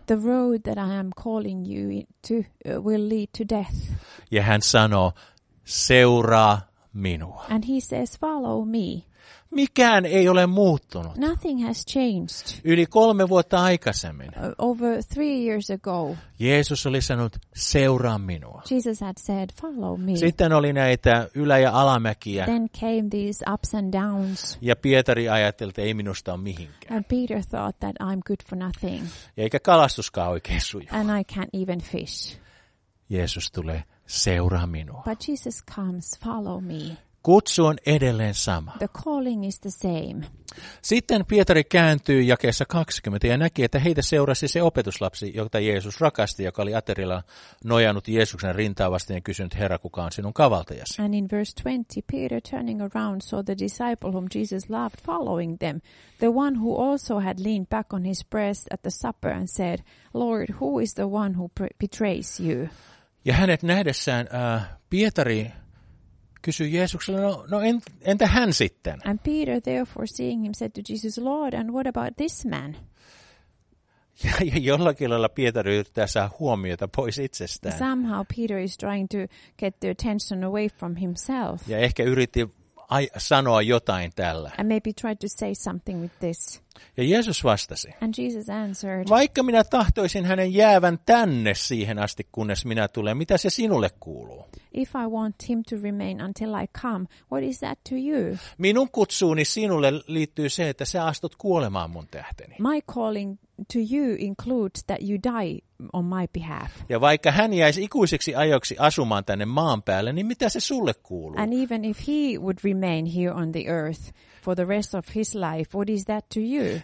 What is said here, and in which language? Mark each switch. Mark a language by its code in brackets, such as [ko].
[en] The road that I am calling you to will lead to death. [fi] Ja hän sanoo, seuraa minua. [en] And he says, follow me. [fi] Mikään ei ole muuttunut. [en] Nothing has changed. [fi] Yli kolme vuotta aikaisemmin. [en] Over three years ago. [fi] Jeesus oli sanonut, seuraa minua. [en] Jesus had said, follow me. [fi] Sitten oli näitä ylä- ja alamäkiä. [en] Then came these ups and downs. [fi] Ja Pietari ajatteli, että ei minusta ole mihinkään. [en] And Peter thought that I'm good for nothing. [fi] Eikä kalastuskaan oikein sujuu. [en] And I can't even fish. [fi] Jeesus tulee, seuraa minua. [en] But Jesus comes, follow me. [fi] Kutsu on edelleen sama. [en] The calling is the same. [fi] Sitten Pietari kääntyi jakeessa 20 ja näki, että heitä seurasi se opetuslapsi, jota Jeesus rakasti, joka oli aterilla nojannut Jeesuksen rintaa vasten ja kysynyt, Herra, kuka on sinun kavaltajasi? [en] And in verse 20, Peter turning around saw the disciple whom Jesus loved following them, the one who also had leaned back on his breast at the supper and said, Lord, who is the one who betrays you? [fi] Ja hänet nähdessään Pietari kysyi Jeesukselle, entä hän sitten? [en] And Peter therefore seeing him said to Jesus, Lord, and what about this man? [fi] Ja jollakin lailla Pietari yrittää saada huomiota pois itsestään. [en] Somehow Peter is trying to get the attention away from himself. [fi] Ja ehkä yritti sanoa jotain tällä. [en] And maybe tried to say something with this. [fi] Ja Jeesus vastasi. [en] And Jesus answered, [fi] vaikka minä tahtoisin hänen jäävän tänne siihen asti, kunnes minä tulen, mitä se sinulle kuuluu? [en] If I want him to remain until I come, what is that to you? [fi] Minun kutsuuni sinulle liittyy se, että sä astut kuolemaan mun tähteni. [en] My calling to you includes that you die on my behalf. [fi] Ja vaikka hän jäisi ikuisiksi ajoksi asumaan tänne maan päälle, niin mitä se sulle kuuluu? [en] And even if he would remain here on the earth for the rest of his life, what is that to you?